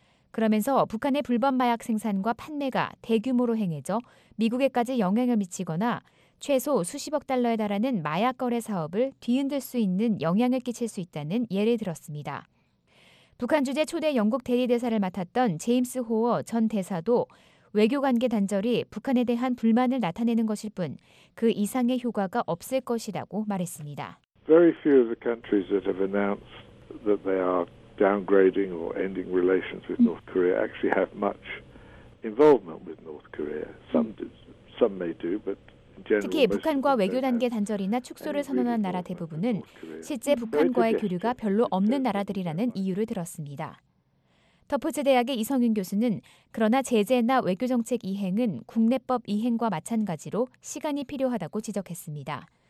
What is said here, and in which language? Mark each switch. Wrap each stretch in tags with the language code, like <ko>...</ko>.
<ko>그러면서 북한의 불법 마약 생산과 판매가 대규모로 행해져 미국에까지 영향을 미치거나 최소 수십억 달러에 달하는 마약 거래 사업을 뒤흔들 수 있는 영향을 끼칠 수 있다는 예를 들었습니다. 북한 주재 초대 영국 대리대사를 맡았던 제임스 호어 전 대사도 외교관계 단절이 북한에 대한 불만을 나타내는 것일 뿐 그 이상의 효과가 없을 것이라고 말했습니다.</ko> <en>Very few of the countries that have announced that they are downgrading or ending relations with North Korea actually have much involvement with North Korea. Some may do, but generally,</en> <ko>특히 북한과 외교 단계 단절이나 축소를 선언한 나라 대부분은 실제 북한과의 교류가 별로 없는 나라들이라는 이유를 들었습니다. 더포즈 대학의 이성윤 교수는 그러나 제재나 외교 정책 이행은 국내법 이행과 마찬가지로 시간이 필요하다고 지적했습니다.</ko>